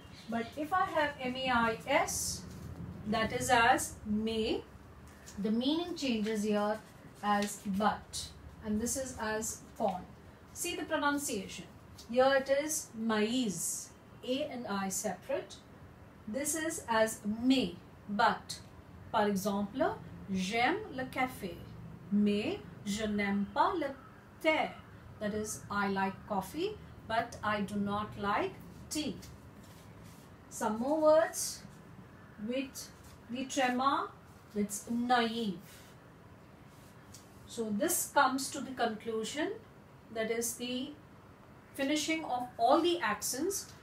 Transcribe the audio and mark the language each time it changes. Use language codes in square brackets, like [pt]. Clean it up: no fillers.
[en] But if I have M-A-I-S, that is as may, the meaning changes here as but, and this is as corn. See the pronunciation. Here it is maize, A and I separate. This is as mais, but. [fr] Par exemple, j'aime le café, mais je n'aime pas le thé. [en] That is, I like coffee, but I do not like tea. Some more words with the trema, it's naive. So this comes to the conclusion. That is the finishing of all the accents.